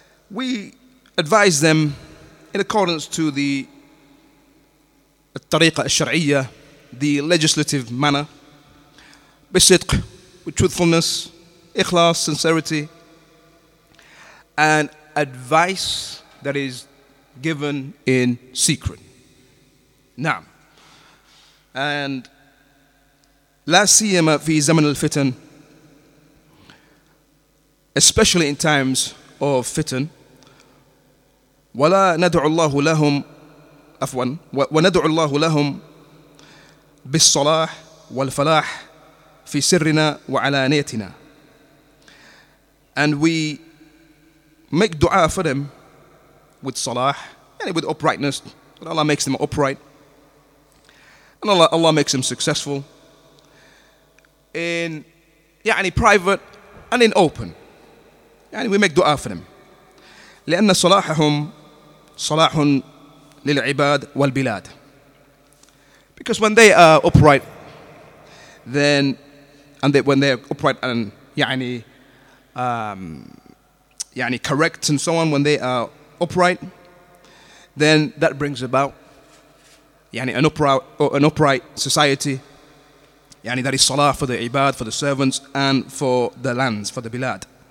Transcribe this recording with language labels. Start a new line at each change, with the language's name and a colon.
English: We advise them in accordance to the tariqa al-shar'iyya, the legislative manner, بصدق, with truthfulness, ikhlas, sincerity, and advice that is given in secret.
Arabic: Naam. And لا سيما في زمن الفتن,
English: especially in times of fitan,
Arabic: ولا ندعو الله لهم عفوا وندعو الله لهم بالصلاح والفلاح في سرنا وعلانيتنا.
English: And we make dua for them with salah, yani with uprightness, and Allah makes them upright, and Allah makes them successful in yani private and in open. And we make dua for them.
Arabic: لأن صلاحهم صلاح للعباد والبلاد.
English: Because when they are upright, then, and they, when they're upright and يعني يعني correct and so on, when they are upright, then that brings about يعني an upright society, يعني that is salah for the ibad, for the servants, and for the lands, for the bilad.